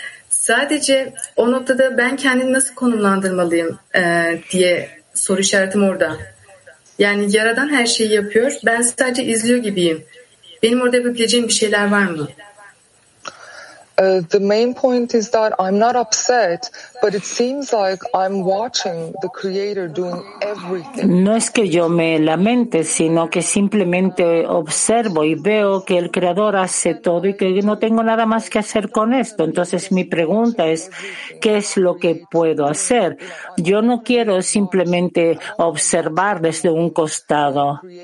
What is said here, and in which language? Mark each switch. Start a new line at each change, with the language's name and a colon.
Turkish: Sadece o noktada ben kendimi nasıl konumlandırmalıyım diye soru işaretim orada. Yani Yaradan her şeyi yapıyor, ben sadece izliyor gibiyim. Benim orada yapabileceğim bir şeyler var mı?
English: The main point is that I'm not upset, but it seems like I'm watching the Creator doing everything.
Spanish: No es que yo me lamente, sino que simplemente observo y veo que el Creador hace todo y que no tengo nada más que hacer con esto. Entonces mi pregunta es, ¿qué es lo que puedo hacer? Yo no quiero simplemente observar desde un costado.